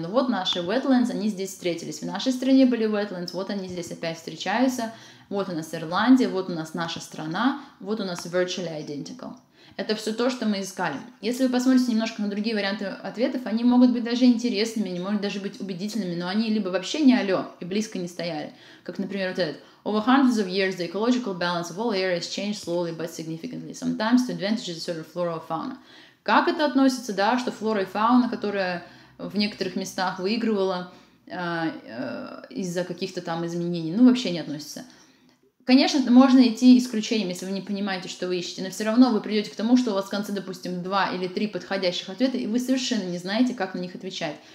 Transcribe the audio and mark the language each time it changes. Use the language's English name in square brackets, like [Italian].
[Russian] Но вот наши wetlands, они здесь встретились. В нашей стране были wetlands, вот они здесь опять встречаются. Вот у нас Ирландия, вот у нас наша страна, вот у нас [English] virtually identical. [Russian] Это все то, что мы искали. Если вы посмотрите немножко на другие варианты ответов, они могут быть даже интересными, они могут даже быть убедительными, но они либо вообще не алё и близко не стояли. Как, например, вот этот. [English] Over hundreds of years, the ecological balance of all areas changed slowly but significantly, sometimes to advantages of flora and fauna. [Russian] Как это относится, да, что флора и фауна, которая в некоторых местах выигрывала из-за каких-то там изменений, ну, вообще не относится. Конечно, можно идти исключением, если вы не понимаете, что вы ищете, но все равно вы придете к тому, что у вас в конце, допустим, 2 или 3 подходящих ответа, и вы совершенно не знаете, как на них отвечать.